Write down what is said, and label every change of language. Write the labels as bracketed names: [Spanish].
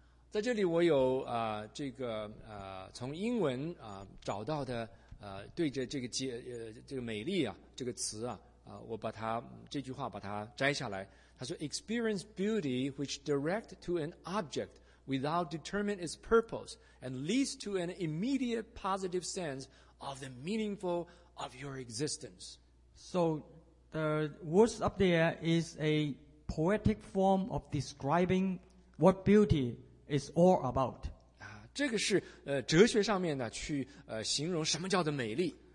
[Chinese] 在这里，我有这个从英文找到的对着这个节这个美丽啊这个词啊。我把它这句话把它摘下来。他说 [English] ：“Experience beauty which direct to an object without determine its purpose and leads to an immediate positive sense of the meaningful of your existence.” So the words up there is a poetic form of describing what beauty is all about. [Chinese] 这个是哲学上面呢去形容什么叫做美丽。